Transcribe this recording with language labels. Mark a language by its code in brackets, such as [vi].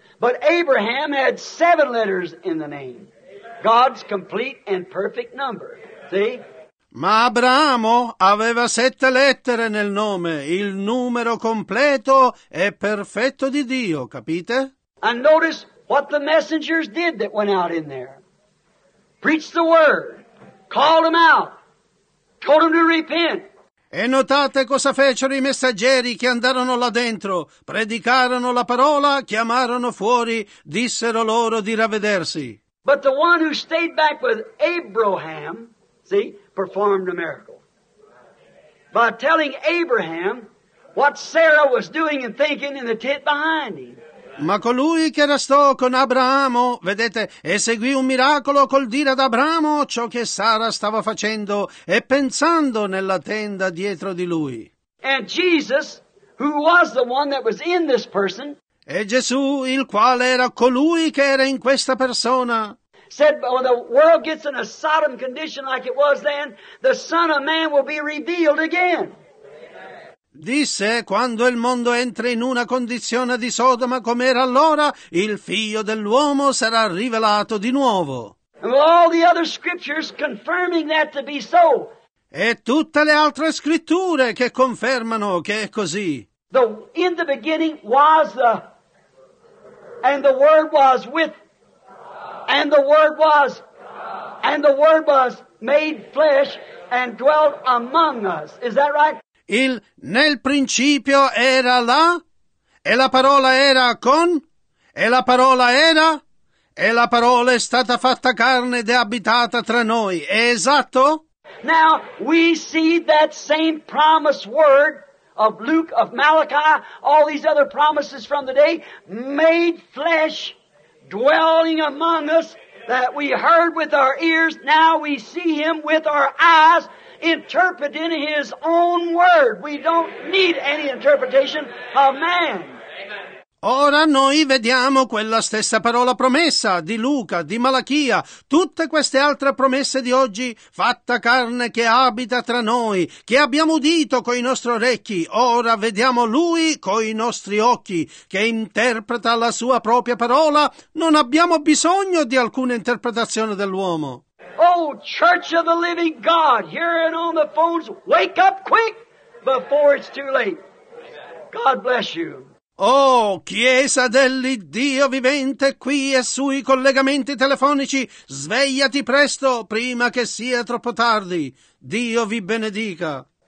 [en] But Abraham had seven letters in the name. God's complete and perfect number. See? [it] Ma Abramo aveva sette lettere nel nome, il numero completo e perfetto di Dio, capite? [en] And notice what the messengers did that went out in there. Preached the word, called them out, told them to repent. [it] E notate cosa fecero i messaggeri che andarono là dentro, predicarono la parola, chiamarono fuori, dissero loro di ravvedersi. [en] But the one who stayed back with Abraham, see, performed a miracle. By telling Abraham what Sarah was doing and thinking in the tent behind him. [it] Ma colui che restò con Abramo, vedete, eseguì un miracolo col dire ad Abramo ciò che Sara stava facendo e pensando nella tenda dietro di lui. [en] And Jesus, who was the one that was in this person, [it] e Gesù, il quale era colui che era in questa persona, [en] said, when the world gets in a Sodom condition like it was then, the Son of Man will be revealed again. [it] Disse, quando il mondo entra in una condizione di Sodoma come era allora, il Figlio dell'uomo sarà rivelato di nuovo. [en] All the other scriptures confirming that to be so. [it] E tutte le altre scritture che confermano che è così. [en] In the beginning was the, and the Word was with, and the Word was, and the Word was made flesh and dwelt among us. Is that right? [it] Il nel principio era là, e la parola era con, e la parola era, e la parola è stata fatta carne ed è abitata tra noi. È esatto? [en] Now, we see that same promised word of Luke, of Malachi, all these other promises from the day, made flesh, dwelling among us, that we heard with our ears, now we see him with our eyes, interpreting his own word. We don't need any interpretation of man. [it] Ora noi vediamo quella stessa parola promessa di Luca, di Malachia, tutte queste altre promesse di oggi, fatta carne che abita tra noi, che abbiamo udito coi nostri orecchi, ora vediamo lui coi nostri occhi, che interpreta la sua propria parola, non abbiamo bisogno di alcuna interpretazione dell'uomo. [en] Oh, Church of the Living God, here and on the phones, wake up quick before it's too late. God bless you. [it] Oh, Chiesa dell'Iddio vivente, qui e sui collegamenti telefonici, svegliati presto, prima che sia troppo tardi. Dio vi benedica.